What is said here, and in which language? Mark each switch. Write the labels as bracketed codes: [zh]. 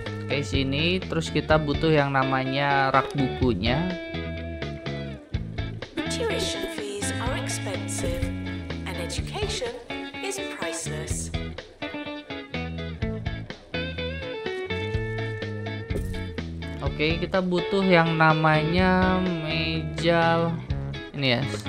[id] case ini, terus kita butuh yang namanya rak bukunya. [en] Tuition fees are expensive and education is priceless. [id] Oke, kita butuh yang namanya meja ini ya.